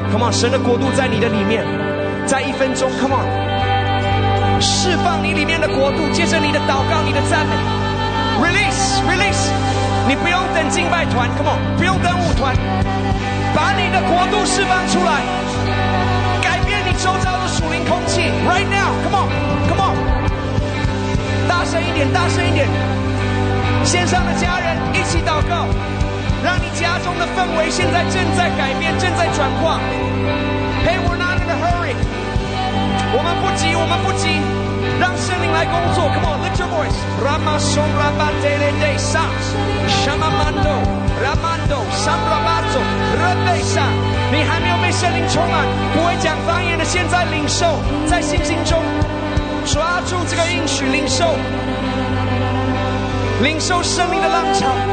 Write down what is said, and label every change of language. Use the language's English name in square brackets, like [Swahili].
[Chinese] 神的国度在你的里面，在一分钟 [English] come on [Chinese] 释放你里面的国度，接着你的祷告，你的赞美 [English] release release， [Chinese] 你不用等敬拜团 come on， 不用等舞团，把你的国度释放出来，改变你周遭的属灵空气 [English] right now come on [Chinese] come on，大声一点大声一点，线上的家人一起祷告，让你家中的氛围现在正在改变，正在转化。 [English] Hey, we're not in a hurry， [Chinese] 我们不急我们不急， [English] 让圣灵来工作 Come on, lift your voice。 Ramasong Rabatelede Sam Shamamando Ramando Samrabato Rebeisa， [Chinese] 你还没有被圣灵充满，不会讲方言的，现在领受，在信心中抓住这个应许，领受领受生命的浪潮。